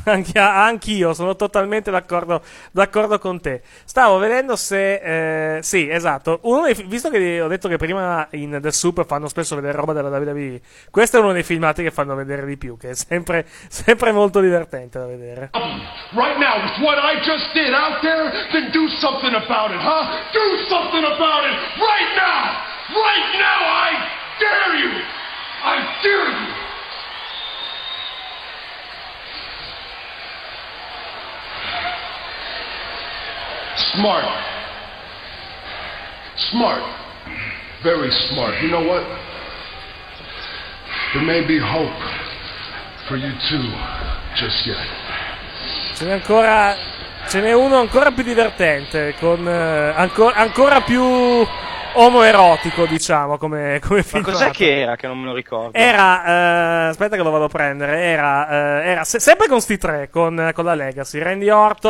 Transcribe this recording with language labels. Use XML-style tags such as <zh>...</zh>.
<it>Sappilo, anch'io, sono totalmente d'accordo, d'accordo con te. Stavo vedendo se... sì, esatto. Uno dei, visto che ho detto che prima in The Soup fanno spesso vedere roba della WWE, questo è uno dei filmati che fanno vedere di più, che è sempre, sempre molto divertente da vedere.</it> <en>Right now, with what I just did out there, then do something about it, huh? Do something about it! Right now! Right now, I dare you! I dare you! Smart. Smart. Very smart. You know what? There may be hope for you too, just yet.</en> <it>Ce n'è ancora... Ce n'è uno ancora più divertente, con ancora più omoerotico, diciamo, come, come film. Ma cos'è che era, che non me lo ricordo? Era, aspetta che lo vado a prendere, era, era sempre con sti tre, con la Legacy, Randy Orton,</it>